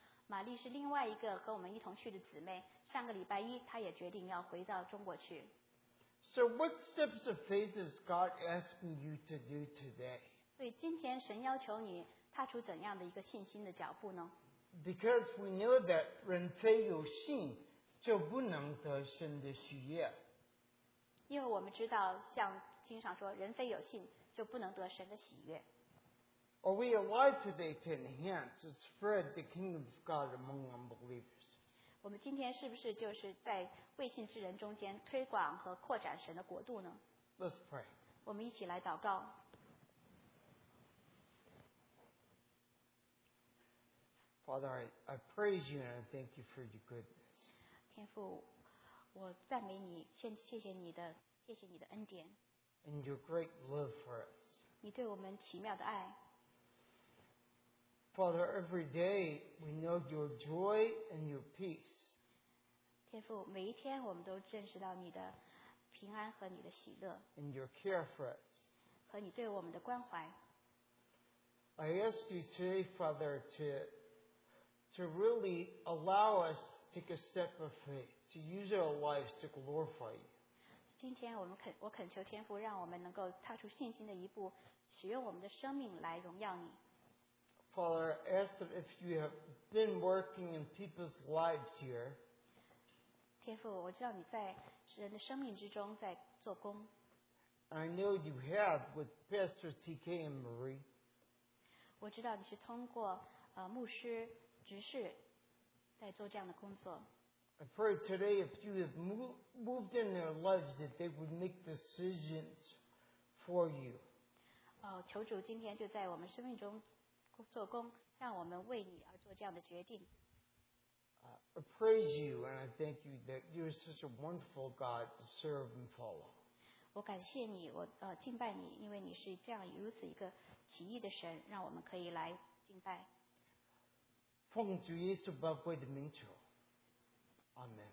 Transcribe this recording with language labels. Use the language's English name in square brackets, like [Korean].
[Chinese] 玛丽是另外一个和我们一同去的姊妹，上个礼拜一她也决定要回到中国去。 [English] So what steps of faith is God asking you to do today? [Chinese] 所以今天神要求你踏出怎样的一个信心的脚步呢？ [English] Because we know that [Chinese] 人非有信，就不能得神的喜悦。因为我们知道，像经上说，人非有信，就不能得神的喜悦。 [English] Are we alive today to enhance and spread the kingdom of God among unbelievers? [Chinese] 我们今天是不是就是在未信之人中间推广和扩展神的国度呢？ [English] Let's pray. [Chinese] 我们一起来祷告。 [English] Father, I praise you and I thank you for your goodness. [Chinese] 天父。我赞美你，先谢谢你的恩典。 [English] And your great love for us. [Chinese] 你对我们奇妙的爱。 [English] Father, every day we know your joy and your peace. [Chinese] 天父，每一天我们都认识到你的平安和你的喜乐。 [English] And your care for us. [Chinese] 和你对我们的关怀。 [English] I ask you today, Father, to really allow us to take a step of faith. To use our lives to glorify you. [Chinese] 今天我恳求天父，让我们能够踏出信心的一步，使用我们的生命来荣耀你。 [English] Father, I ask that if you have been working in people's lives here. [Chinese] 天父，我知道你在人的生命之中在做工。 [English] I know you have with Pastor TK and Marie. [Chinese] 我知道你是通过牧师执事在做这样的工作。 [English] I pray today if you have moved in their lives that they would make decisions for you. [Chinese] 求主今天就在我们生命中做工，让我们为你而做这样的决定。 [English] I praise you and I thank you that you are such a wonderful God to serve and follow. [Chinese] 我感谢你，我敬拜你，因为你是这样如此一个奇异的神，让我们可以来敬拜。奉主耶稣宝贵的名求。阿门。